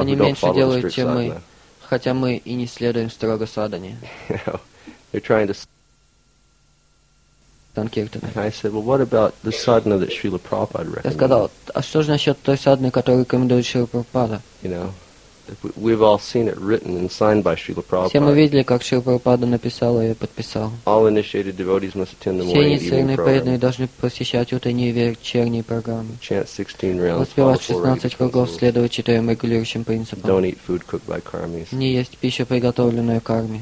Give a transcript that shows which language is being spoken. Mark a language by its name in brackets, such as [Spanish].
[Russian] Они меньше делают, чем мы, хотя мы и не следуем строго садхане. [English] They're trying to [Russian] санкиртана. [English] I said, well, what about the sadhana that Srila Prabhupada recommended? [Russian] Я сказал, а что же насчет той садханы, которую рекомендует Шрила Прабхупада? [English] You know. We've all seen it written and signed by Srila Prabhupada. [Russian] Все мы видели, как Шрила Прабхупада написал и подписал. [English] All initiated devotees must attend the morning evening program. [Russian] Все инициированные преданные должны посещать утренние вечерние программы. [English] Chant 16 rounds. [Russian] Воспевать 16 кругов, следовать 4 регулирующим принципам. [English] Don't eat food cooked by кармис. [Russian] Не есть пищу, приготовленную карми.